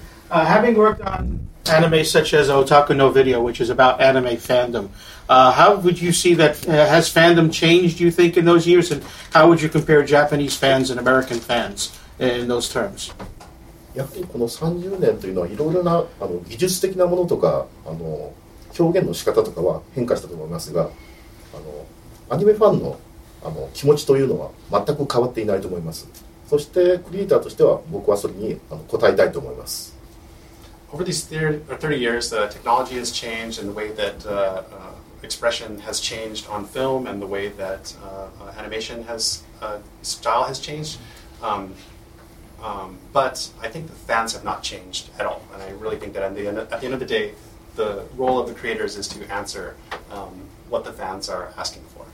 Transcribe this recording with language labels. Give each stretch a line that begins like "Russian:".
English: Having worked on anime such as Otaku no Video, which is about anime fandom, how would you see that? Has fandom changed, you think, in those years? And how would you compare Japanese fans and American fans in those terms?
Japanese: やはりこの30年というのはいろいろな技術的なものとか表現の仕方とかは変化したと思いますが、アニメファンの気持ちというのは全く変わっていないと思います。そしてクリエイターとしては僕はそれに応えたいと思います。
English: Over these 30 years, the technology has changed and the way that expression has changed on film and the way that animation has style has changed. But I think the fans have not changed at all. And I really think that at the end of the day, the role of the creators is to answer what the fans are asking for.